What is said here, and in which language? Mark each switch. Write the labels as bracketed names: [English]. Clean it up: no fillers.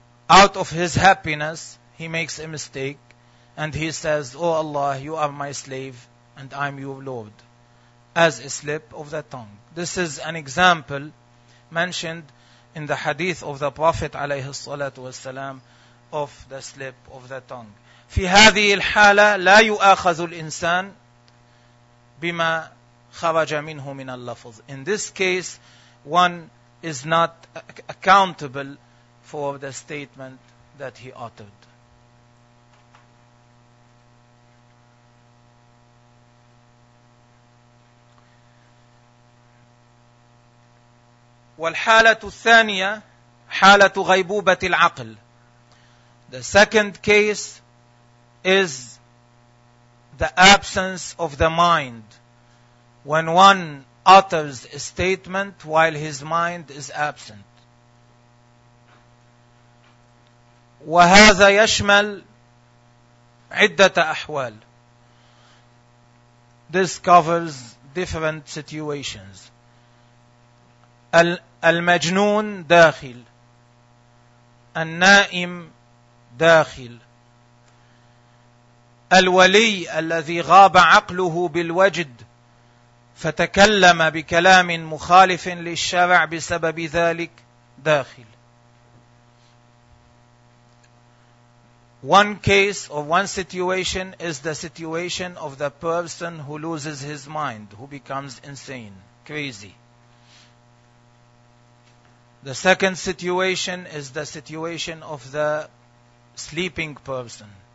[English] Out of his happiness, he makes a mistake and he says, O Allah, you are my slave and I am your Lord, as a slip of the tongue. This is an example mentioned in the hadith of the Prophet [Arabic] alayhi salatu wasalam [English] of the slip of the tongue. [Arabic] في هذه الحالة لا يؤاخذ الإنسان بما خرج منه من اللفظ. [English] In this case, one is not accountable for the statement that he uttered. [Arabic] والحالة الثانية حالة غيبوبة العقل. [English] The second case is the absence of the mind when one utters a statement while his mind is absent. [Arabic] وهذا يشمل عدة أحوال. [English] This covers different situations. [Arabic] المجنون داخل، النائم داخل، الولي الذي غاب عقله بالوجد فتكلم بكلام مخالف للشرع بسبب ذلك داخل. [English] One case or one situation is the situation of the person who loses his mind, who becomes insane, crazy. The second situation is the situation of the sleeping person.